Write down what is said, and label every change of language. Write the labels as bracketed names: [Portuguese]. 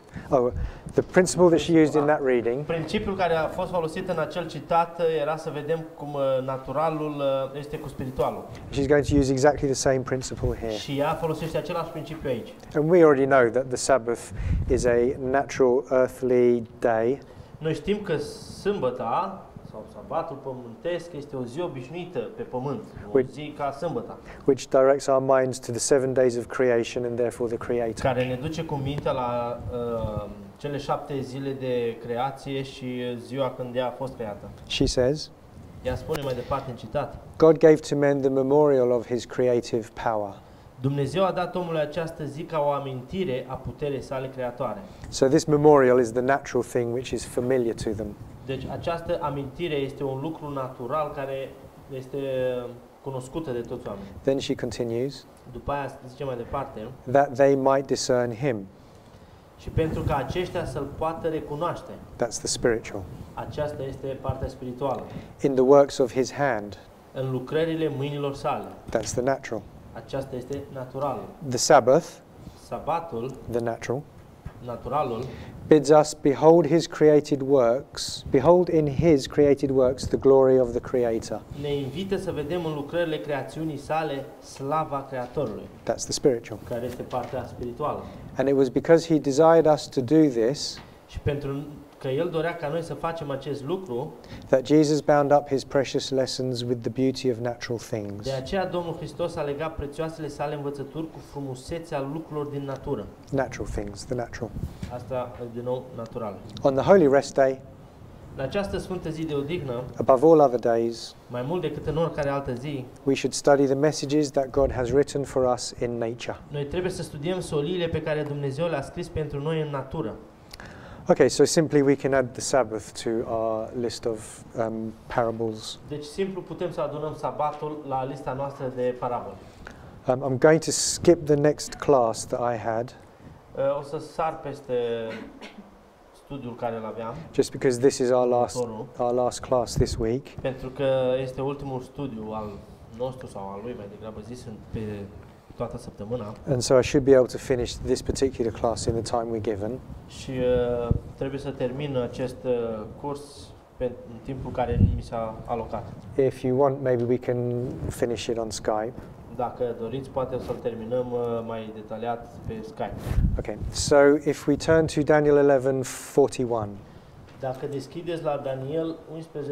[English] Oh, the principle that she used in that reading. [Romanian] Principiul care a fost folosit în acel citat era să vedem cum naturalul este cu spiritualul. [English] She's going to use exactly the same principle here. [Romanian] Și ea folosește același principiu aici. [English] And we already know that the Sabbath is a natural earthly day. [Romanian] Noi știm că sâmbăta sau sabatul pământesc este o zi obișnuită pe pământ, o zi ca sâmbăta. [English] Which directs our minds to the 7 days of creation and therefore the Creator. [Romanian] Care ne duce cu mintea la cele 7 zile de creație și ziua când ea a fost creată. [English] She says, [Romanian] ea spune mai departe în citat, [English] God gave to man the memorial of his creative power. [Romanian] Dumnezeu a dat omului această zi ca o amintire a puterii sale creatoare. [English] So this memorial is the natural thing which is familiar to them. [Romanian] Deci această amintire este un lucru natural care este cunoscută de toți oamenii. [English] Then she continues. [Romanian] După aia zice mai departe. [English] That they might discern him. [Romanian] Și pentru ca aceștia să-l poată recunoaște. [English] That's the spiritual. [Romanian] Aceasta este partea spirituală. [English] In the works of his hand. [Romanian] În lucrările mâinilor sale. [English] That's the natural. [Romanian] Aceasta este natural. [English] The Sabbath. [Romanian] Sabatul. [English] The natural. [Romanian] Naturalul. [English] Bids us behold his created works, behold in his created works the glory of the Creator. [Romanian] Ne invită să vedem în lucrările creațiunii sale slava Creatorului. [English] That's the spiritual. [Romanian] Care este partea spirituală. [English] And it was because he desired us to do this. [Romanian] Și pentru că el dorea ca noi să facem acest lucru. [English] That Jesus bound up his precious lessons with the beauty of natural things. [Romanian] De aceea Domnul Hristos a legat prețioasele sale învățături cu frumusețea lucrurilor din natură. [English] Natural things, the natural. [Romanian] Asta din nou natural. [English] On the holy rest day. [Romanian] În această sfântă zi de odihnă. [English] Above all other days. [Romanian] Mai mult decât în oricare altă zi. [English] We should study the messages that God has written for us in nature. [Romanian] Noi trebuie să studiem soliile pe care Dumnezeu le-a scris pentru noi în natură. [English] Okay, so simply we can add the Sabbath to our list of parables. [Romanian] Deci simplu putem să adunăm sabatul la lista noastră de parabole. [English] I'm going to skip the next class that I had. [Romanian] O să sar peste studiul care l-aveam. [English] Just because this is our last class this week. [Romanian] Pentru că este ultimul studiu al nostru sau al lui, mai degrabă zis, pe toată săptămâna. [English] And so I should be able to finish this particular class in the time we're given. [Romanian] Și trebuie să termin acest curs în timpul care mi s-a alocat. [English] If you want, maybe we can finish it on Skype. [Romanian] Dacă doriți, poate o să-l terminăm mai detaliat pe Skype. [English] Okay. So if we turn to Daniel 11:41. [Romanian] Dacă deschideți la Daniel 11:41.